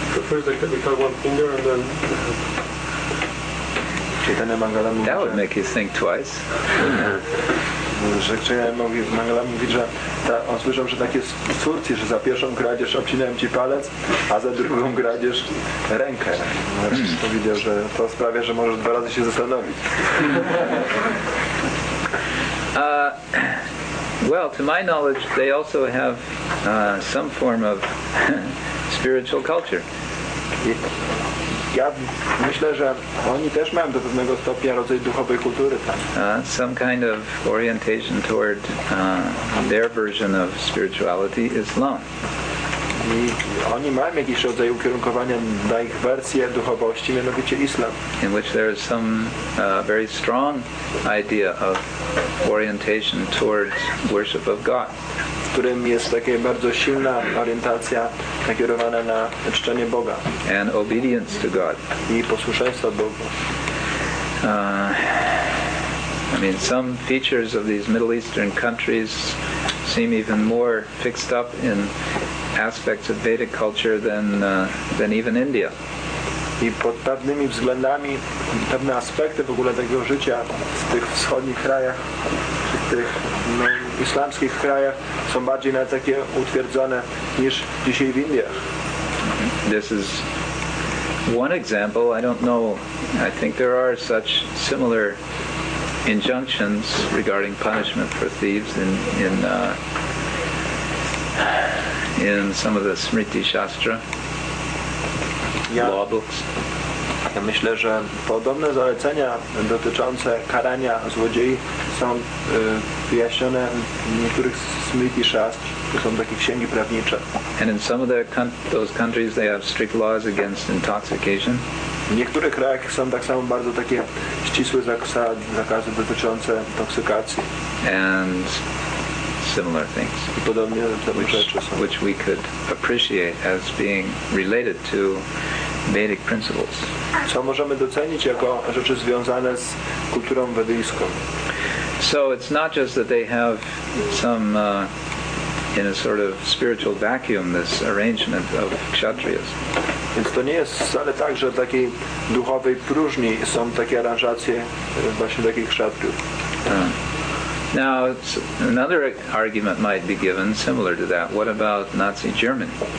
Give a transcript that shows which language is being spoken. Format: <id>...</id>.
<en>First they cut one finger and then...</en> <pl>Chaitanya Mangala mówi,</pl> <en>that would make you think twice.</en> <pl>Że Mangala mówi, że on słyszał, że tak jest w Turcji, że za pierwszą kradzież obcinałem ci palec, a za drugą kradzież rękę. Powiedział, że to sprawia, że możesz dwa razy się zastanowić.</pl> <en>Well, to my knowledge, they also have some form of spiritual culture.</en> <pl>Ja myślę, że oni też mają do pewnego stopnia rodzaj duchowej kultury tam.</pl> <en>Some kind of orientation toward their version of spirituality, Islam.</en> <pl>I oni mają jakiś rodzaj ukierunkowania na ich wersję duchowości, mianowicie Islam.</pl> <en>In which there is some very strong idea of orientation towards worship of God.</en> <pl>W którym jest taka bardzo silna orientacja nakierowana na czczenie Boga.</pl> <en>And obedience to God.</en> <pl>I posłuszeństwo Bogu.</pl> <en>I mean, some features of these Middle Eastern countries seem even more fixed up in aspects of Vedic culture than even India.</en> <pl>I pod pewnymi względami, pewne aspekty w ogóle tego życia w tych wschodnich krajach, w tych islamskich krajach są bardziej na takie utwierdzone niż dzisiaj w Indiach.</pl> <en>This is one example. I don't know. I think there are such similar injunctions regarding punishment for thieves in some of the Smriti Shastra, law books.</en> <pl>Ja myślę, że podobne zalecenia dotyczące karania złodziei są wyjaśnione w niektórych Smriti Shastr, to są takie księgi prawnicze.</pl> <en>And in some of those countries they have strict laws against intoxication.</en> <pl>W niektórych krajach są tak samo bardzo takie ścisłe zakazy dotyczące intoksykacji.</pl> <en>And similar things.</en> <pl>I podobne rzeczy są.</pl> <en>Which we could appreciate as being related to Vedic principles.</en> <pl>Co możemy docenić jako rzeczy związane z kulturą wedyjską.</pl> <en>So it's not just that they have some in a sort of spiritual vacuum this arrangement of kshatriyas.</en> <pl>Więc to nie jest wcale tak, że w takiej duchowej próżni są takie aranżacje właśnie takich kshatriów.</pl> <en>Now another argument might be given similar to that. What about Nazi Germany?</en>